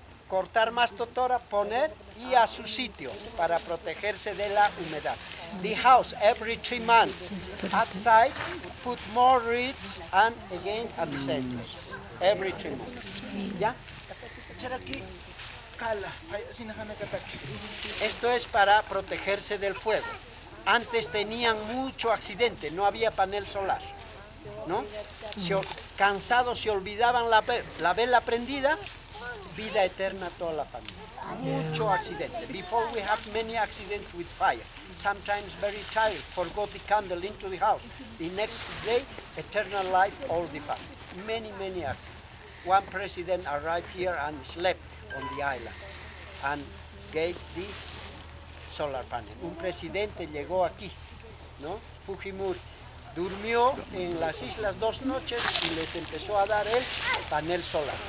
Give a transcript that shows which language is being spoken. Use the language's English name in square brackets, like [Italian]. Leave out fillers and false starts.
[Spanish] cortar más totora, poner y a su sitio para protegerse de la humedad. [English] The house every 3 months. Outside, put more reeds and again at the same place. Every 3 months. ¿Ya? [Spanish] Echar aquí cala, sin dejar que ataque. Esto es para protegerse del fuego. Antes tenían mucho accidente, no había panel solar. ¿No? Cansados se olvidaban la vela prendida, vida eterna a toda la familia. Mucho accidente. [English] Before we have many accidents with fire. Sometimes very tired, forgot the candle into the house. The next day, eternal life, all the family. Many, many accidents. One president arrived here and slept on the island and gave the solar panel. [Spanish] Un presidente llegó aquí, ¿no? Fujimori. Durmió en las islas 2 noches y les empezó a dar el panel solar.